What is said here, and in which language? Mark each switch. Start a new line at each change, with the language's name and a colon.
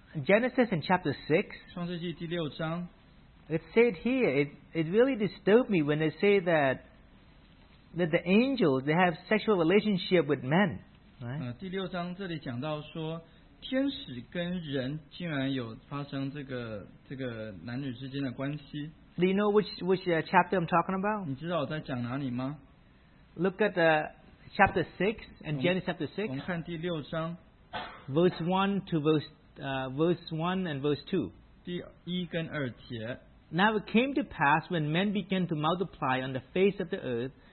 English: Genesis in chapter 6.
Chinese: 创世纪第六章。
English: It said here, it really disturbed me when they say that the angels they have sexual relationship with men.
Chinese: 第六章这里讲到说，天使跟人竟然有发生这个男女之间的关系。
English: Do you know which chapter I'm talking about?
Chinese: 你知道我在讲哪里吗
English: ？Look at the chapter 6 and Genesis chapter 6.
Chinese: 我们看第六章
English: ，verse 1 to verse 1 and verse 2.
Chinese: 第一跟二节。
English: Now it came to pass when men began to multiply on the face of the earth.